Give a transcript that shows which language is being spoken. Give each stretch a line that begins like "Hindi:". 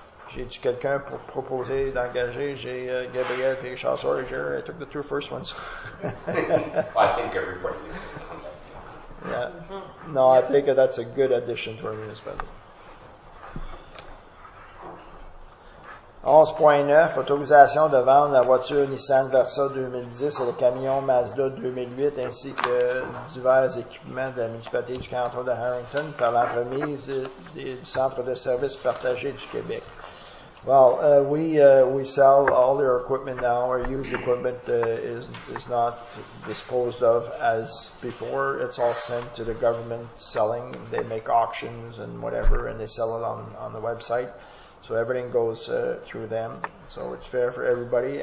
French: J'ai-tu quelqu'un pour proposer d'engager? J'ai Gabriel et Richard.
English: Sorry, Jerry, I took the two first ones. I think everybody is. Yeah. No, I think that's a good addition to our municipality.
French: 11.9, autorisation de vendre la voiture Nissan Versa 2010 et le camion Mazda 2008 ainsi que divers équipements de la municipalité du canton de Harrington par l'entremise du Centre de services partagés du Québec.
English: Well, we sell all their equipment now. Our used equipment is not disposed of as before. It's all sent to the government selling. They make auctions and whatever, and they sell it on the website. So everything goes through them. So it's fair for everybody.